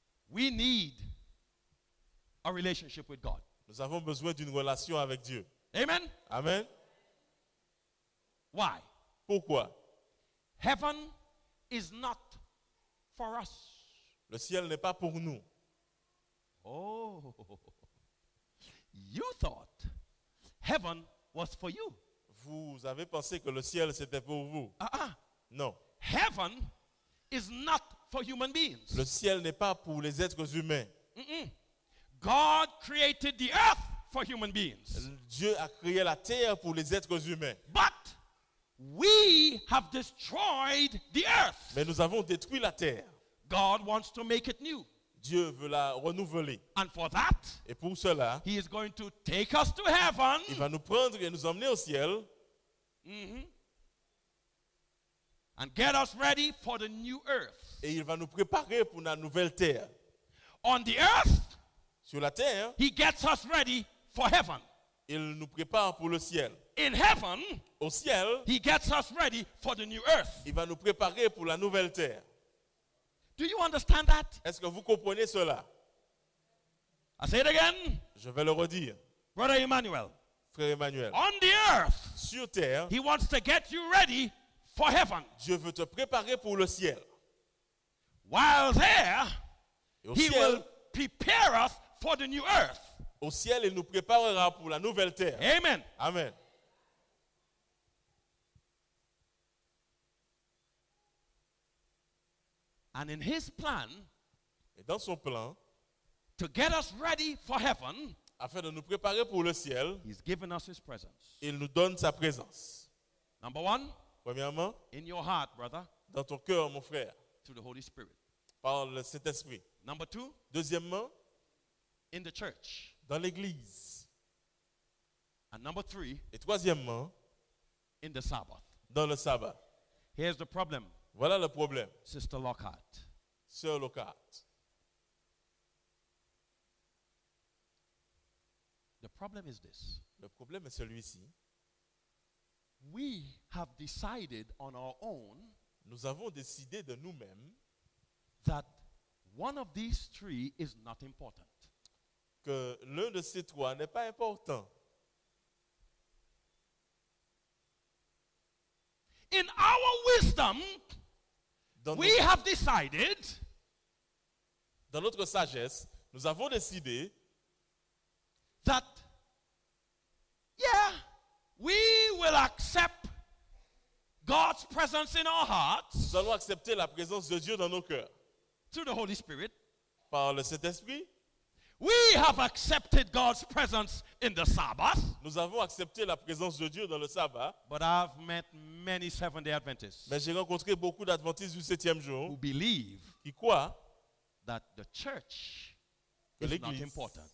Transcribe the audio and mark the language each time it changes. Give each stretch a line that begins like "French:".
English: We need a relationship with God.
French: Nous avons besoin d'une relation avec Dieu.
English: Amen.
French: Amen.
English: Why?
French: Pourquoi?
English: Heaven is not for us.
French: Le ciel n'est pas pour nous.
English: Oh, you thought heaven was for you.
French: Vous avez pensé que le ciel c'était pour vous. Ah, non.
English: Heaven is not for human beings.
French: Le ciel n'est pas pour les êtres humains. Mm-mm.
English: God created the earth for human beings.
French: Dieu a créé la terre pour les êtres humains.
English: But we have destroyed the earth.
French: Mais nous avons détruit la terre.
English: God wants to make it new.
French: Dieu veut la renouveler.
English: And for that,
French: et pour cela,
English: he is going to take us to heaven.
French: Il va nous prendre et nous emmener au ciel. Mm-hmm.
English: And get us ready for the new earth.
French: Et il va nous préparer pour la nouvelle terre.
English: On the earth,
French: sur la terre,
English: he gets us ready for heaven.
French: Il nous prépare pour le ciel.
English: In heaven,
French: au ciel,
English: he gets us ready for the new earth.
French: Il va nous préparer pour la nouvelle terre.
English: Do you understand that?
French: Est-ce que vous comprenez cela?
English: I say it again.
French: Je vais le redire.
English: Brother Emmanuel.
French: Frère Emmanuel.
English: On the earth,
French: sur terre,
English: he wants to get you ready for heaven.
French: Dieu veut te préparer pour le ciel.
English: While there,
French: ciel,
English: he will prepare us for the new earth.
French: Au ciel, il nous préparera pour la nouvelle terre.
English: Amen.
French: Amen.
English: And in his plan,
French: et dans son plan,
English: to get us ready for heaven,
French: afin de nous préparer pour le ciel,
English: he's given us his presence.
French: Il nous donne sa présence.
English: Number one,
French: premièrement,
English: in your heart, brother,
French: dans ton cœur, mon frère,
English: through the Holy Spirit,
French: par le Saint-Esprit.
English: Number two,
French: deuxièmement,
English: in the church,
French: dans l'église.
English: And number three,
French: et troisièmement,
English: in the Sabbath,
French: dans le sabbat.
English: Here's the problem.
French: Voilà le problème.
English: Sister Lockhart.
French: Sœur Lockhart.
English: The problem is this.
French: Le problème est celui-ci.
English: We have decided on our own.
French: Nous avons décidé de nous-mêmes
English: that one of these three is not important.
French: Que l'un de ces trois n'est pas important.
English: In our wisdom, we have decided,
French: dans notre sagesse, nous avons décidé
English: that, yeah, we will accept God's presence in our hearts.
French: Nous allons accepter la présence de Dieu dans nos cœurs.
English: Through the Holy Spirit.
French: Par le Saint-Esprit.
English: We have accepted God's presence in the Sabbath.
French: Nous avons accepté la présence de Dieu dans le sabbat.
English: But I've met many Seventh-day Adventists.
French: Mais j'ai rencontré beaucoup d'Adventistes du septième jour.
English: Who believe?
French: Qui croient
English: that the church is not important.